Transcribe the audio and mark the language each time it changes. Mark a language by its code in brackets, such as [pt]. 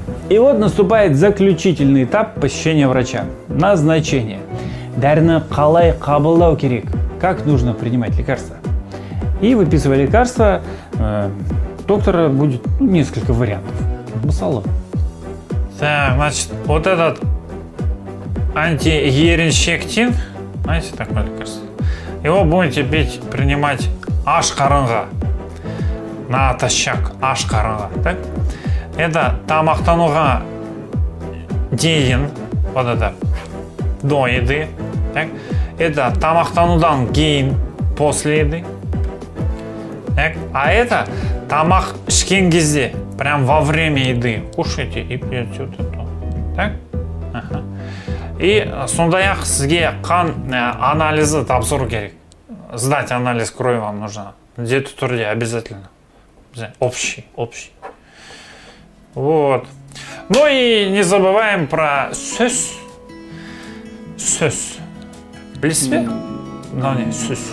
[ru] И вот наступает заключительный этап посещения врача. Назначение. [kk] Дәріні қалай қабылдау керек? [ru] Как нужно принимать лекарства? И выписывая лекарства, доктора будет несколько вариантов. Масала. Так, значит, вот этот антиеринщектин, знаете, такое лекарство, его будете пить, принимать ашқарынға. Натощак, ашқарынға, так? Это [kk] тамақтануға дейін, [ru] вот это, до еды. Так? Это [kk] тамақтанудан кейін, [ru] после еды. Так? А это [kk] тамақ ішкен кезде, [ru] прям во время еды. Кушайте и пьете вот это. Так? [kk] Ага. И сондай-ақ сізге қан анализы тапсыру керек. [ru] Сдать анализ крови вам нужно. Где-то түрде обязательно. Общий. Вот. Ну и не забываем про сөз. Сөз. Білесіз бе? Но не сөз.